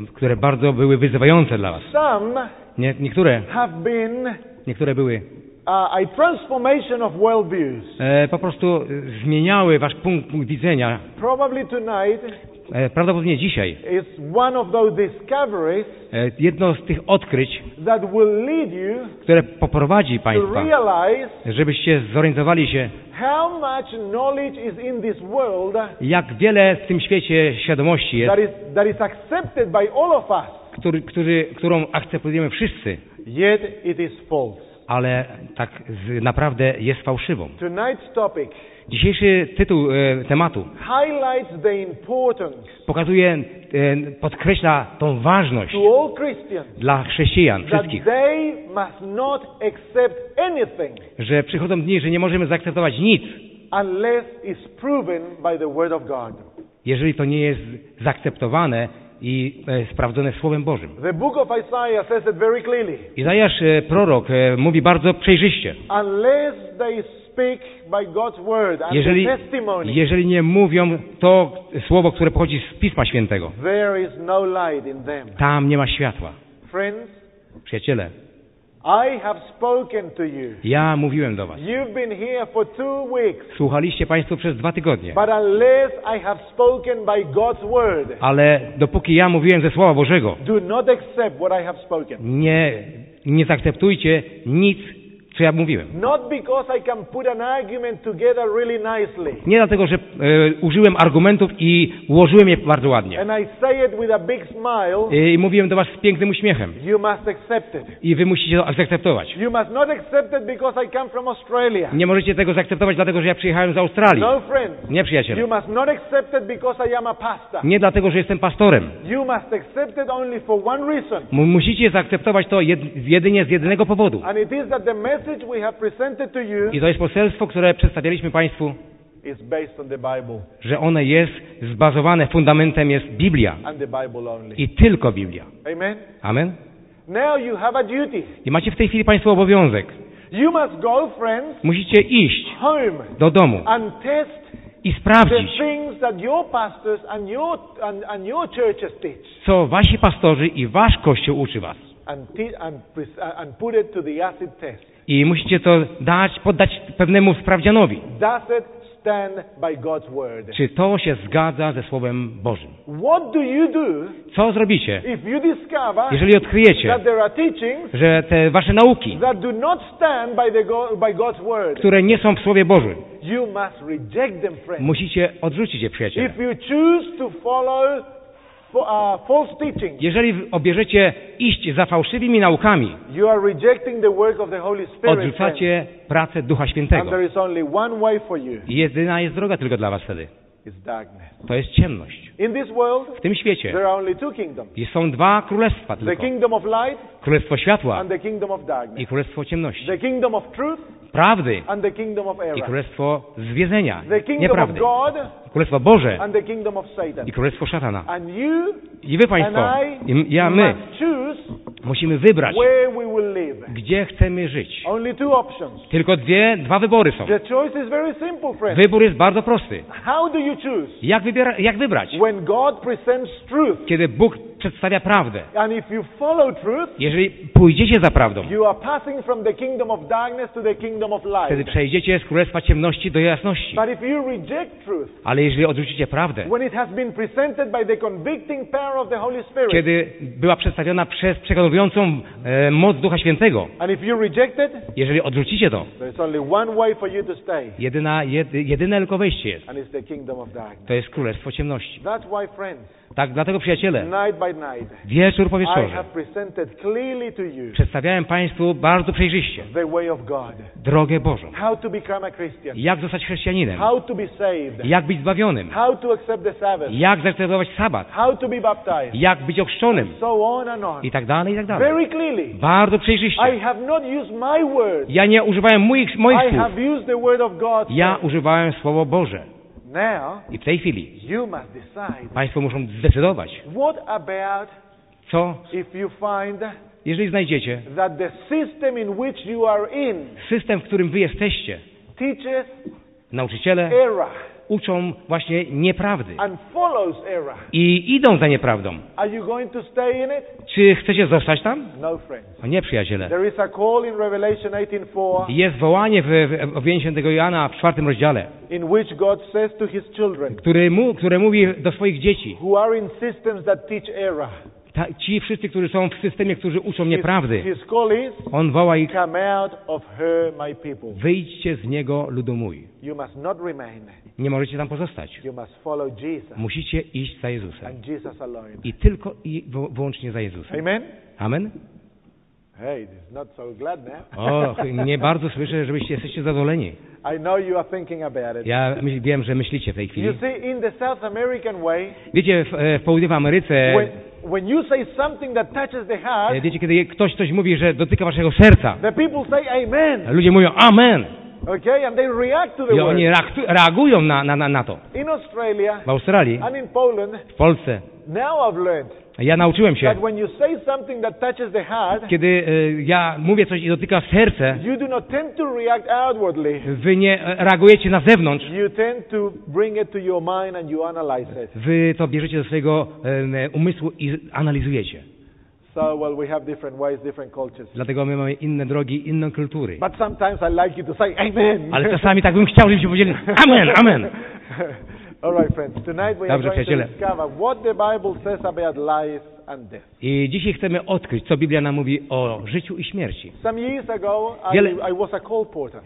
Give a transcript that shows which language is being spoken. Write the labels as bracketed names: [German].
[Polish] Które bardzo były wyzywające dla was. [English] Some [Polish] nie, niektóre, [English] have been, [Polish] niektóre były, [English] a transformation of world views. [Polish] Po prostu zmieniały wasz punkt widzenia. [English] Probably tonight, [Polish] prawdopodobnie dzisiaj, [English] is one of those discoveries, [Polish] jedno z tych odkryć, [English] that will lead you, [Polish] które poprowadzi państwa, [English] to realize, [Polish] żebyście zorientowali się, [English] how much knowledge is in this world, [Polish] jak wiele w tym świecie świadomości jest, [English] that is accepted by all of us, [Polish] którą akceptujemy wszyscy, [English] yet it is false. [Polish] Ale tak naprawdę jest fałszywą. [English] Tonight's topic, [Polish] dzisiejszy tytuł tematu, [English] highlights the importance, [Polish] pokazuje, podkreśla tą ważność [English] to all Christians, [Polish] dla chrześcijan wszystkich, [English] that they must not accept anything, [Polish] że przychodzą dni, że nie możemy zaakceptować nic, [English] unless it's proven by the Word of God, [Polish] jeżeli to nie jest zaakceptowane i sprawdzone Słowem Bożym. [English] The book of Isaiah says it very clearly. [Polish] Izajasz, prorok, mówi bardzo przejrzyście. [English] Unless they speak by God's word and testimony, [Polish] jeżeli nie mówią to słowo, które pochodzi z Pisma Świętego, [English] there is no light in them. [Polish] Tam nie ma światła. [English] Friends, [Polish] przyjaciele, [English] I have spoken to you. [Polish] Ja mówiłem do was. [English] You've been here for 2 weeks. [Polish] Słuchaliście państwo przez 2 tygodnie. [English] But unless I have spoken by God's word, [Polish] ale dopóki ja mówiłem ze Słowa Bożego, [English] do not accept what I have spoken. [Polish] Nie zaakceptujcie nic, co ja mówiłem. [English] Not because I can put an argument together really nicely. [Polish] Nie dlatego, że użyłem argumentów i ułożyłem je bardzo ładnie. [English] And I say it with a big smile. [Polish] I mówiłem do was z pięknym uśmiechem. [English] You must accept it. [Polish] I wy musicie to zaakceptować. [English] You must not accept it because I come from Australia. [Polish] Nie możecie tego zaakceptować dlatego, że ja przyjechałem z Australii. [English] No, friend. [Polish] Nie, przyjaciele. [English] You must not accept it because I am a pastor. [Polish] Nie dlatego, że jestem pastorem. [English] You must accept it only for one reason. [Polish] Musicie zaakceptować to jedynie z jednego powodu. [English] And it is that the message we have presented to you, [Polish] i to jest poselstwo, które przedstawialiśmy państwu, [English] is based on the Bible, [Polish] że one jest zbazowane, fundamentem jest Biblia, [English] and the Bible only, [Polish] i tylko Biblia. [English] Amen. [Polish] Amen. [English] Now you have a duty. [Polish] I macie w tej chwili państwo obowiązek. [English] You must go, friends, [Polish] musicie iść [English] home [Polish] do domu [English] and test [Polish] i sprawdzić [English] the things that your pastors and your churches teach, [Polish] co wasi pastorzy i wasz kościół uczy was, [English] and put it to the acid test. [Polish] I musicie to poddać pewnemu sprawdzianowi. [English] Does it stand by God's word? [Polish] Czy to się zgadza ze Słowem Bożym? [English] What do you do, [Polish] co zrobicie, [English] if you discover, [Polish] jeżeli odkryjecie, [English] that there are teachings, [Polish] że te wasze nauki, [English] that do not stand by God's word, [Polish] które nie są w Słowie Bożym? [English] You must reject them, friend. [Polish] Musicie odrzucić je, przyjaciele. [English] If you choose to follow false teaching, [Polish] jeżeli obierzecie iść za fałszywymi naukami, [English] you are rejecting the work of the Holy Spirit, [Polish] odrzucacie pracę Ducha Świętego. [English] And there is only one way for you. [Polish] Jedyna jest droga tylko dla was wtedy. [English] It's darkness. [Polish] To jest ciemność. [English] In this world, [Polish] w tym świecie, [English] there are only two kingdoms. [Polish] Są dwa królestwa tylko. [English] The kingdom of light, [Polish] królestwo światła, [English] and the kingdom of darkness. [Polish] I królestwo ciemności. [English] The kingdom of truth, [Polish] prawdy, [English] and the kingdom of error. [Polish] I królestwo zwiedzenia, [English] the kingdom [Polish] nieprawdy. [English] Of God, [Polish] królestwo Boże, [English] and the kingdom of Satan. [Polish] I królestwo szatana. [English] And you, [Polish] i wy państwo, [English] and I, [Polish] i ja, my, [English] must choose, [Polish] musimy wybrać, [English] where we will live. [Polish] Gdzie chcemy żyć. [English] Only two options. [Polish] Tylko dwa wybory są. [English] The choice is very simple, friend. [Polish] Wybór jest bardzo prosty. [English] How do you choose? [Polish] Jak wybrać? [English] When God presents truth, [Polish] kiedy Bóg przedstawia prawdę. [English] And if you follow truth, [Polish] jeżeli pójdziecie za prawdą, [English] you are passing from the kingdom of darkness to the kingdom of light. [Polish] Wtedy przejdziecie z królestwa ciemności do jasności. [English] But if you reject truth, [Polish] ale jeżeli odrzucicie prawdę, [English] when it has been presented by the convicting power of the Holy Spirit, [Polish] kiedy była przedstawiona przez przekonującą moc Ducha Świętego, [English] and if you reject it, [Polish] jeżeli odrzucicie to, [English] there is only one way for you to stay. [Polish] Jedyne tylko wejście jest. [English] And it's the kingdom of darkness. [Polish] To jest królestwo ciemności. [English] That's why, friends, [Polish] tak, dlatego, przyjaciele, [English] night by night, [Polish] wieczór po wieczorze, [English] I have presented clearly to you, [Polish] przedstawiałem państwu bardzo przejrzyście [English] the way of God, [Polish] drogę Bożą. [English] How to become a Christian, [Polish] jak zostać chrześcijaninem. [English] How to be saved, [Polish] jak być zbawionym. [English] How to accept the Sabbath, [Polish] jak zaakceptować sabat. [English] How to be baptized, [Polish] jak być ochrzczonym. [English] And so on and on. [Polish] I tak dalej, i tak dalej. [English] Very clearly, [Polish] bardzo przejrzyście. [English] I have not used my word, [Polish] ja nie używałem moich słów. [English] I have used the word of God, [Polish] ja używałem Słowo Boże. [English] Now, [Polish] i w tej chwili [English] you must decide, [Polish] państwo muszą zdecydować, [English] what about, [Polish] co [English] if you find, [Polish] jeżeli znajdziecie, [English] that the system in which you are in, [Polish] system, w którym wy jesteście, [English] teaches, [Polish] nauczyciele, [English] error, [Polish] uczą właśnie nieprawdy [English] and follows error, [Polish] i idą za nieprawdą, [English] are you going to stay in it? [Polish] Czy chcecie zostać tam? [English] No, friends. [Polish] O nie, przyjaciele. [English] There is a call in Revelation 18:4, [Polish] jest wołanie w objęciu tego Jana w 4 rozdziale, [English] in which God says to his children, [Polish] które mówi do swoich dzieci, [English] who are in systems that teach error. [Polish] Ci wszyscy, którzy są w systemie, którzy uczą nieprawdy, [English] his call is, [Polish] on woła ich, [English] come out of her, my people. [Polish] Wyjdźcie z niego, ludu mój. [English] You must not remain. [Polish] Nie możecie tam pozostać. [English] You must follow Jesus. [Polish] Musicie iść za Jezusem. [English] And Jesus alone. [Polish] I tylko i wyłącznie za Jezusem. [English] Amen? [Polish] Amen? [English] Hey, it's not so glad now. [Polish] O, nie bardzo słyszę, że jesteście zadowoleni. [English] I know you are thinking about it. [Polish] Ja wiem, że myślicie w tej chwili. [English] You see, in the South American way, [Polish] wiecie, w południowej Ameryce, [English] when you say something that touches the heart, [Polish] wiecie, kiedy ktoś coś mówi, że dotyka waszego serca, [English] the people say amen. [Polish] Ludzie mówią amen. [English] Okay, and they react to the [Polish] I oni reagują na to. [English] In Australia, [Polish] w Australii, [English] and in Poland, [Polish] w Polsce, [English] now I've learned, [Polish] ja nauczyłem się, [English] that when you say something that touches the heart, [Polish] kiedy ja mówię coś i dotyka serce, [English] you do not tend to react outwardly. [Polish] Wy nie reagujecie na zewnątrz. [English] You tend to bring it to your mind and you analyze it. [Polish] Wy to bierzecie do swojego umysłu i analizujecie. [English] So, well, we have different ways, different cultures. [Polish] Dlatego my mamy inne drogi, inne kultury. [English] But sometimes I like you to say amen. [Polish] Ale czasami tak bym chciał, żebyście powiedzieli amen, amen. [English] All right, friends. Tonight we are going to discover what the Bible says about life and death. [Polish] I dzisiaj chcemy odkryć, co Biblia nam mówi o życiu i śmierci. [English] Some years ago, I was a call porter.